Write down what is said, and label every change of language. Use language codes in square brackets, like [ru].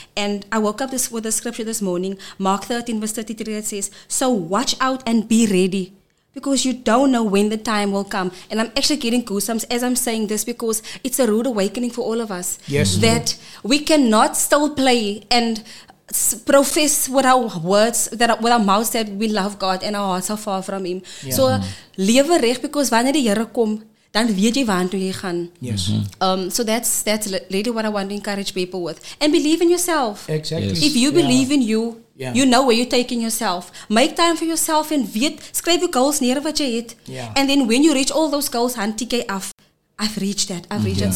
[en] And I woke up with a scripture this morning, Mark 13 verse 33, that says, so watch out and be ready, because you don't know when the time will come. And I'm actually getting goosebumps as I'm saying this, because it's a rude awakening for all of us. Yes. That we cannot still play and profess with our words, that with our mouths, that we love God and our hearts are far from Him. Yeah. [af] So, lewe reg, because wanneer die Here kom, dan weet jy waar toe jy gaan. Yes. Mm-hmm. [en] So that's really what I want to encourage people with. And believe in yourself. Exactly. Yes. If you believe in you, yeah, you know where you're taking yourself. Make time for yourself and [af] weet, skryf [en] your goals neer wat jy het. Yeah. And then when you reach all those goals, hantieke af. I've reached that. I've reached it.